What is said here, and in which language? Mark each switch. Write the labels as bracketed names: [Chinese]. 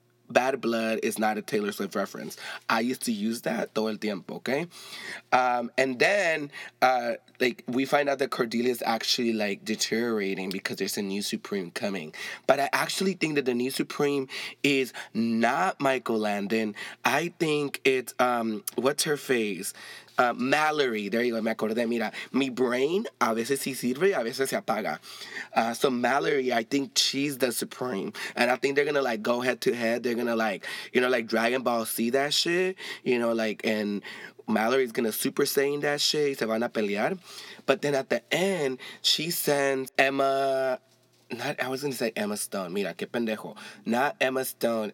[English] Bad blood is not a Taylor Swift reference. I used to use that [Spanish] todo el tiempo, [English] okay? And then, like, we find out that Cordelia is actually, like, deteriorating because there's a new Supreme coming. But I actually think that the new Supreme is not Michael Landon. I think it's, what's her face? Mallory. There you go. [Spanish] Me acordé. Mira, mi brain a veces sí sirve y a veces se apaga. [English] So Mallory, I think she's the Supreme. And I think they're going to, like, go head to head. They're going to, like, you know, like, Dragon Ball see that shit. You know, like, and Mallory's going to Super Saiyan that shit. [Spanish] Se van a pelear. [English] But then at the end, she sends Emma Stone. [Spanish] Mira, qué pendejo. [English] Not Emma Stone.